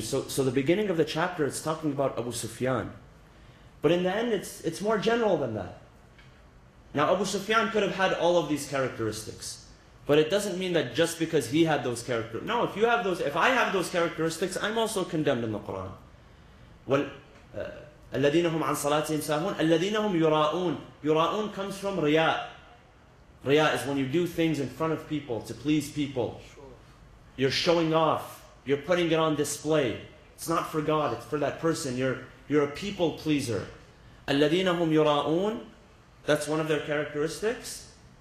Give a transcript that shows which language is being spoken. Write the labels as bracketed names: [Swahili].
[English] So the beginning of the chapter, it's talking about Abu Sufyan. But in the end, it's more general than that. Now, Abu Sufyan could have had all of these characteristics. But it doesn't mean that just because he had those characteristics. No, if I have those characteristics, I'm also condemned in the Quran. Well, [Arabic] الَّذِينَ هُمْ عَنْ صَلَاتِهِمْ سَاهُونَ الَّذِينَ هُمْ يُرَاءُونَ يُرَاءُون [English] comes from [Arabic] رِيَاء. رِيَاء [English] is when you do things in front of people, to please people. You're showing off. You're putting it on display. It's not for God. It's for that person. You're a people pleaser. [Arabic] الَّذِينَ هُمْ يُرَاءُونَ [English] That's one of their characteristics.